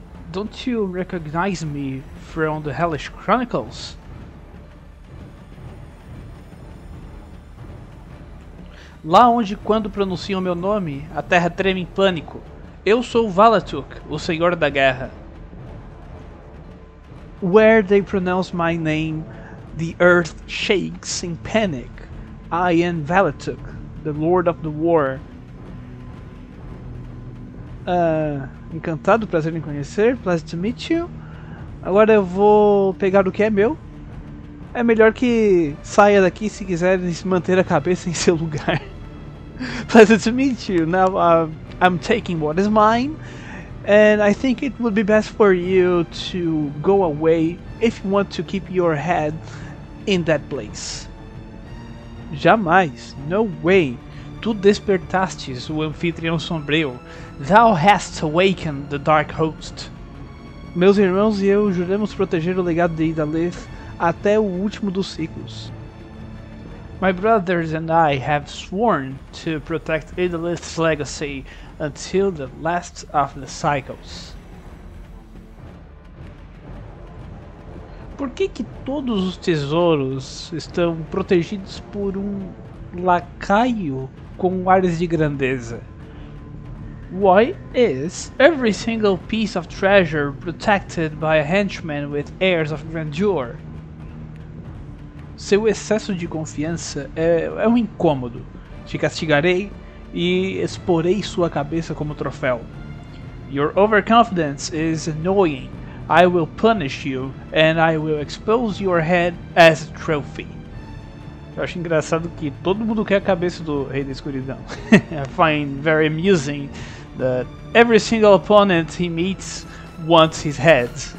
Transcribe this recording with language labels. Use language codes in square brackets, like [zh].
[en] Don't you recognize me from the Hellish Chronicles? [pt] Lá onde, quando pronunciam meu nome, a terra treme em pânico. Eu sou Volatuk, o Senhor da Guerra. [en] Where they pronounce my name, the earth shakes in panic. I am Volatuk, the Lord of the War. [pt] Encantado, prazer em conhecer, [en] pleasure to meet you. [pt] Agora eu vou pegar o que é meu. É melhor que saia daqui se quiser manter a cabeça em seu lugar. [en] Pleasure to meet you. Now I'm taking what is mine, and I think it would be best for you to go away if you want to keep your head in that place. [pt] Jamais. [en] No way. [pt] Tu despertastes o anfitrião sombrio. [en] Thou hast awakened the dark host. [pt] Meus irmãos e eu juramos proteger o legado de Idaleth até o último dos ciclos. [en] My brothers and I have sworn to protect Idaleth's legacy until the last of the cycles. [pt] Por que que todos os tesouros estão protegidos por um lacaio com ares de grandeza? [en] Why is every single piece of treasure protected by a henchman with airs of grandeur? [pt] Seu excesso de confiança é um incômodo. Te castigarei e exporei sua cabeça como troféu. [en] Your overconfidence is annoying. I will punish you and I will expose your head as a trophy. [pt] Eu acho engraçado que todo mundo quer a cabeça do Rei da Escuridão. [en] I find very amusing that every single opponent he meets wants his head.